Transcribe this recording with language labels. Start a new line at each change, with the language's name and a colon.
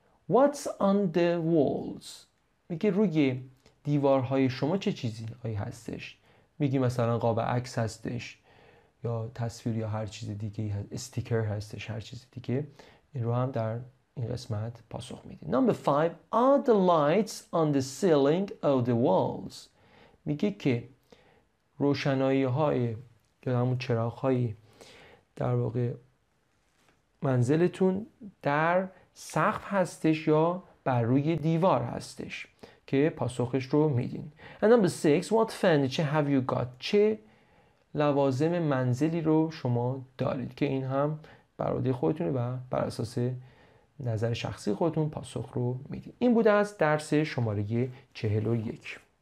English: What's on the walls
Persian: میگه روی دیوارهای شما چه چیزی آیه هستش میگی مثلا قاب عکس هستش یا تصویر یا هر چیز دیگه استیکر هستش هر چیز دیگه این رو هم در این قسمت پاسخ میدیم نمبر 5
English: Are the lights on the ceiling or the walls
Persian: میگه که روشنایی های یا همون چراغ های در واقع منزلتون در سقف هستش یا بر روی دیوار هستش که پاسخش رو میدین.
English: And number 6 what furniture have you got?
Persian: چه لوازم منزلی رو شما دارید که این هم بر عهده خودتونه و بر اساس نظر شخصی خودتون پاسخ رو میدین. این بوده از درس شماره 41.